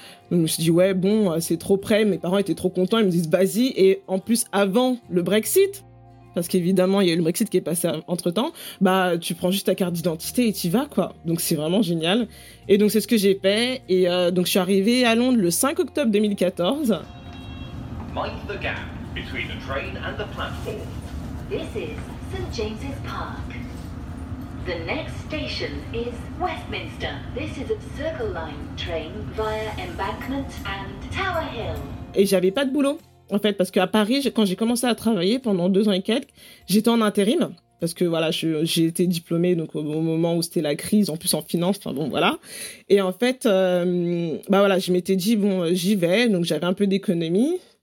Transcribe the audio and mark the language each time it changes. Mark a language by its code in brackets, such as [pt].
[fr] Donc, je me suis dit, c'est trop près. Mes parents étaient trop contents. Ils me disent, vas-y. Et en plus, avant le Brexit, parce qu'évidemment, il y a eu le Brexit qui est passé entre-temps, tu prends juste ta carte d'identité et t'y vas, quoi. Donc, c'est vraiment génial. Et donc, c'est ce que j'ai fait. Et donc, je suis arrivée à Londres le 5 octobre 2014. [en] Mind the gap between the train and the platform. This is St. James's Park. The next station is Westminster. This is a Circle Line train via Embankment and Tower Hill. [fr] Et j'avais pas de boulot. En fait, parce qu'à Paris, quand j'ai commencé à travailler pendant 2 ans et quelques, j'étais en intérim, parce que voilà, j'ai été diplômée donc, au moment où c'était la crise, en plus en finance, Et en fait, je m'étais dit, j'y vais, donc j'avais un peu d'économie.